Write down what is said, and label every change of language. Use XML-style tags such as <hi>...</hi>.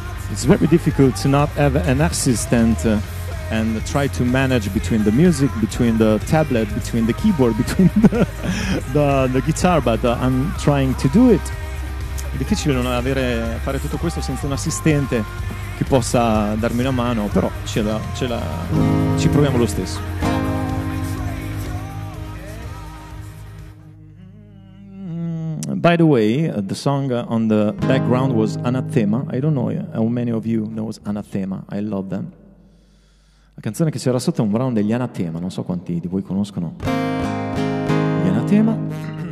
<en>It's very difficult to not have an assistant and try to manage between the music, between the tablet, between the keyboard, between the guitar, but I'm trying to do it.</en> <it>È difficile non avere, fare tutto questo senza un assistente che possa darmi una mano, però ci proviamo lo stesso.</it> <en>By the way, the song on the background was Anathema. I don't know how many of you know Anathema. I love them.</en> <it>La canzone che c'era sotto è un brano degli Anathema. Non so quanti di voi conoscono gli Anathema.</it>